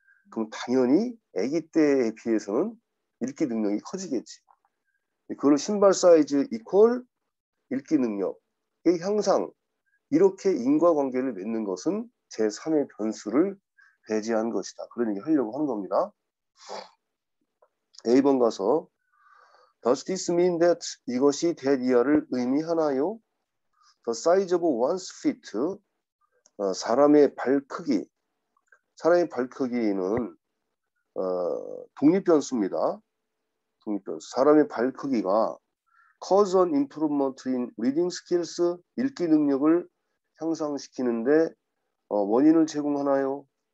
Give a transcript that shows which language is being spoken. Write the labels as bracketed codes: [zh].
[ko] 그럼 당연히 아기 때에 비해서는 읽기 능력이 커지겠지. 그걸 신발 사이즈 이퀄 읽기 능력의 향상, 이렇게 인과관계를 맺는 것은 제3의 변수를 배제한 것이다. 그런 얘기 하려고 한 겁니다. A번 가서, [en] Does this mean that [ko] 이것이 that 이하를 의미하나요? [en] The size of one's feet, [ko] 사람의 발 크기. 사람의 발 크기는 독립 변수입니다. 사람의 발 크기가 [en] cause an improvement in reading skills, [ko] 읽기 능력을 향상시키는데 원인을 제공하나요?